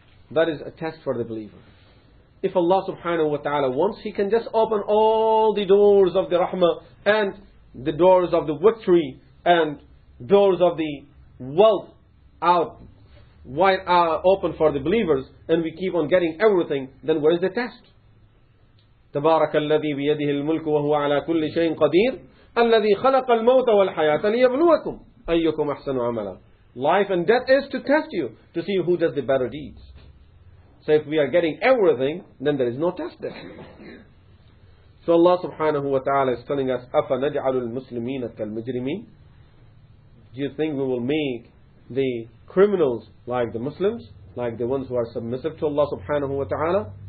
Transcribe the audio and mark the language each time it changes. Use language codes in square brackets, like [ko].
[en] That is a test for the believer. If Allah subhanahu wa ta'ala wants, He can just open all the doors of the rahmah and the doors of the victory and doors of the wealth out wide open for the believers, and we keep on getting everything, then where is the test? [ar] تبارك الذي بيده الملك وهو على كل شيء قدير الذي خلق الموت والحياة ليبلوكم أيكم أحسن عملا. [en] Life and death is to test you, to see who does the better deeds. So if we are getting everything, then there is no test there. So Allah subhanahu wa ta'ala is telling us, [ar] أَفَنَجْعَلُ الْمُسْلِمِينَ كَالْمُجْرِمِينَ. [en] Do you think we will make the criminals like the Muslims, like the ones who are submissive to Allah subhanahu wa ta'ala?